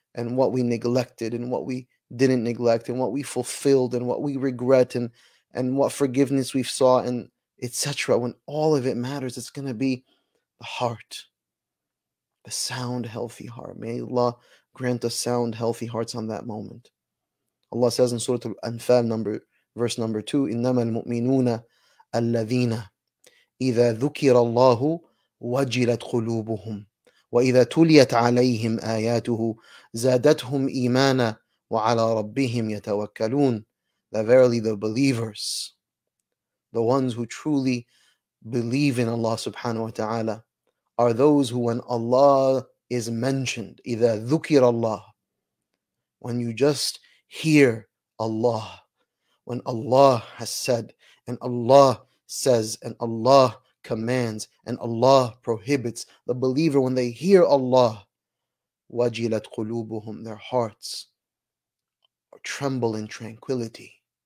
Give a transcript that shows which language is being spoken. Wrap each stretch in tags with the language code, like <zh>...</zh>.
<en>and what we neglected and what we didn't neglect and what we fulfilled and what we regret and what forgiveness we've sought and etc. When all of it matters, it's going to be the heart, the sound, healthy heart. May Allah grant us sound, healthy hearts on that moment.</en> <ar>Allah says in Surah Al-Anfal, verse number 2, إِنَّمَا الْمُؤْمِنُونَ الَّذِينَ إِذَا ذُكِرَ اللَّهُ وَجِلَتْ قُلُوبُهُمْ وَإِذَا تُلِيَتْ عَلَيْهِمْ آيَاتُهُ زَادَتْهُمْ إِيمَانًا وَعَلَىٰ رَبِّهِمْ يَتَوَكَّلُونَ.</ar> <en>That verily the believers, the ones who truly believe in Allah subhanahu wa ta'ala, are those who when Allah is mentioned, إِذَا ذُكِرَ اللَّهُ, when you just hear Allah, when Allah has said, and Allah says, and Allah commands, and Allah prohibits, the believer, when they hear Allah, وَجِلَتْ قُلُوبُهُمْ, their hearts tremble in tranquility.</en>